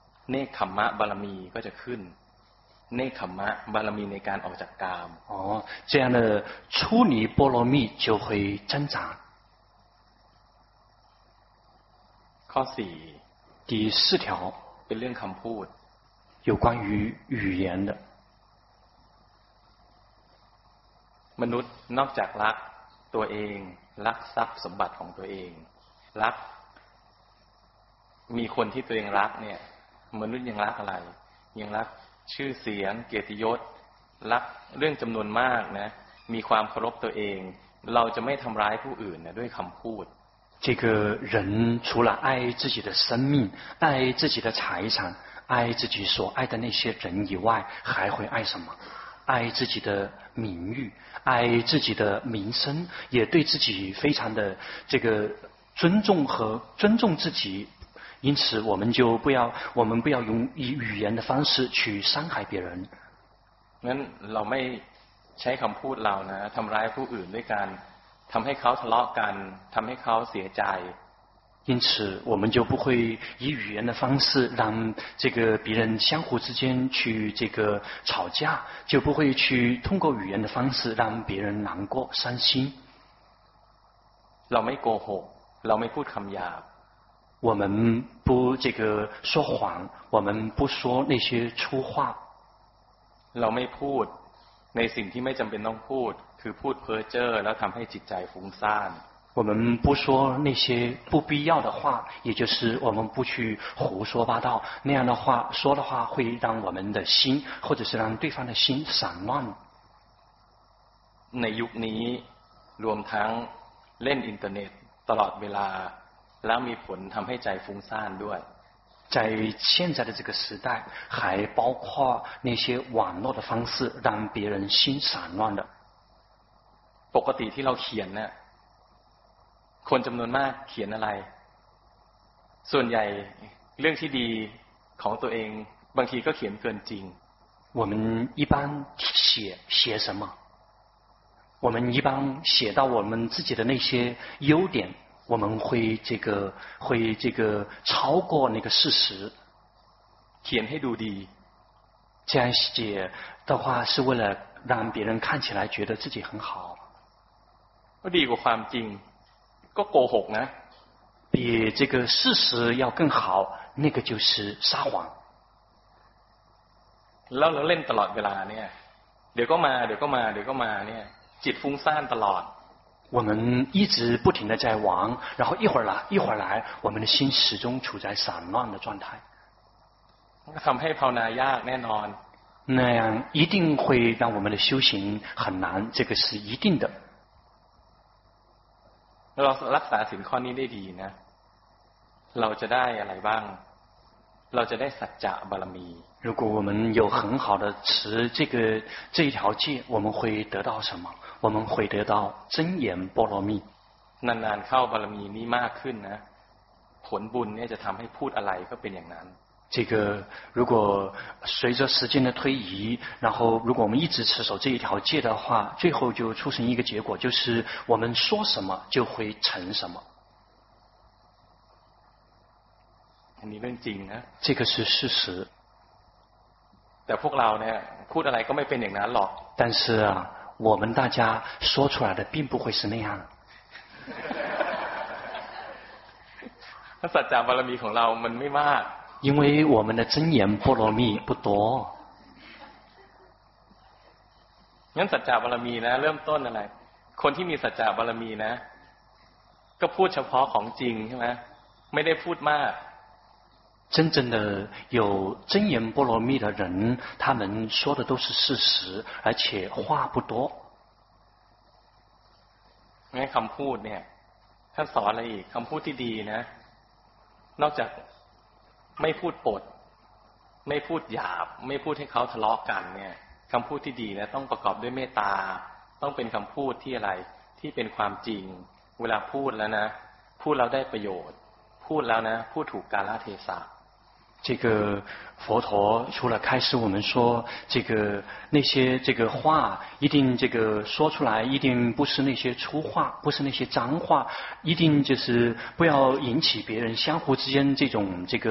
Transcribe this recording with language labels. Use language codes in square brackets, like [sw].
[th] เนคขัมมะบารมีก็จะขึ้นเนคขัมมะบารมีในการออกจากกาม [zh] อ๋อ这样的出离波罗蜜就会增长。 [th] ข้อสี่ [zh] 第四条 [th] เป็นเรื่องคำพูด [zh] 有关于语言的 [th] มนุษย์นอกจากรักตัวเองรักทรัพย์สมบัติของตัวเองรักมีคนที่ตัวเองรักเนี่ยมนุษย์ยังรักอะไรยังรักชื่อเสียงเกียรติยศรักเรื่องจำนวนมากนะมีความเคารพตัวเองเราจะไม่ทำร้ายผู้อื่นนะด้วยคำพูด [zh] 这个人除了爱自己的生命爱自己的财产爱自己所爱的那些人以外还会爱什么爱自己的名誉爱自己的名声也对自己非常的这个尊重和尊重自己因此我们就不要我们不要用以语言的方式去伤害别人 [th] งั้นเราไม่ใช้คำพูดเรานะทำร้ายผู้อื่นด้วยการทำให้เขาทะเลาะกันทำให้เขาเสียใจ [zh] 因此我们就不会以语言的方式让这个别人相互之间去这个吵架就不会去通过语言的方式让别人难过伤心 [th] เราไม่โกหกเราไม่พูดคำหยาบ [zh] 我们不这个说谎我们不说那些粗话 [th] เราไม่พูดในสิ่งที่ไม่จำเป็นต้องพูดคือพูดเพ้อเจ้อแล้วทำให้จิตใจฟุ้งซ่าน [zh] 我们不说那些不必要的话也就是我们不去胡说八道那样的话说的话会让我们的心或者是让对方的心散乱 [th] ในยุคนี้รวมทั้งเล่นอินเทอร์เน็ตตลอดเวลาแล้วมีผลทำให้ใจฟุ้งซ่านด้วย [zh] 在现在的这个时代还包括那些网络的方式让别人心散乱的 [th] ปกติที่เราเขียนเนี่ยคนจำนวนมากเขียนอะไรส่วนใหญ่เรื่องที่ดีของตัวเองบางทีก็เขียนเกินจริง [zh] 我们一般写什么我们一般写到我们自己的那些优点我们会这个超过那个事实 [th] เขียนให้ดูดี [zh] 这样写的话是为了让别人看起来觉得自己很好 [th] ก็ดีกว่าความจริงก็โกหกนะ [zh] 比这个事实要更好那个就是撒谎 [th] แล้วเราเล่นตลอดเวลาเนี่ยเดี๋ยวก็มาเดี๋ยวก็มาเดี๋ยวก็มาเนี่ยจิตฟุ้งซ่านตลอด [zh] 我们一直不停的在玩然后一会儿来一会儿来我们的心始终处在散乱的状态 [th] ทำให้ภาวนายากแน่นอน [zh] 那样一定会让我们的修行很难这个是一定的 [th] เรารักษาศีลข้อนี้ได้ดีนะเราจะได้อะไรบ้างเราจะได้สัจจะบารมี [zh] 如果我们有很好的持这一条戒我们会得到什么我们会得到真言波罗蜜 [th] นานๆเข้าบารมีนี้มากขึ้นนะผลบุญเนี่ยจะทำให้พูดอะไรก็เป็นอย่างนั้น [zh] 这个如果随着时间的推移然后如果我们一直持守这一条戒的话最后就出现一个结果就是我们说什么就会成什么你认真啊这个是事实 [th] แต่พวกเราเนี่ยพูดอะไรก็ไม่เป็นอย่างนั้นหรอก [zh] 但是啊我们大家说出来的并不会是那样。 [th] 那สัจจะ บารมี ของเรามันไม่มาก [zh] 因为我们的真言波罗蜜不多。 [th] งั้นสัจจะ บารมีนะเริ่มต้นอะไรคนที่มีสัจจะ บารมีนะก็พูดเฉพาะของจริงใช่มั้ยไม่ได้พูดมาก [zh] 真正的有真言波罗蜜的人他们说的都是事实而且话不多 [th] งั้นคำพูดเนี่ยท่านสอนอะไรอีกคำพูดที่ดีนะนอกจากไม่พูดปดไม่พูดหยาบไม่พูดให้เขาทะเลาะ กันเนี่ยคำพูดที่ดีนะต้องประกอบด้วยเมตตาต้องเป็นคำพูดที่อะไรที่เป็นความจริงเวลาพูดแล้วนะพูดแล้วได้ประโยชน์พูดแล้วนะพูดถูกกาลเทศะ [zh] 这个佛陀除了开始我们说这个那些这个话一定这个说出来一定不是那些粗话不是那些脏话一定就是不要引起别人相互之间这种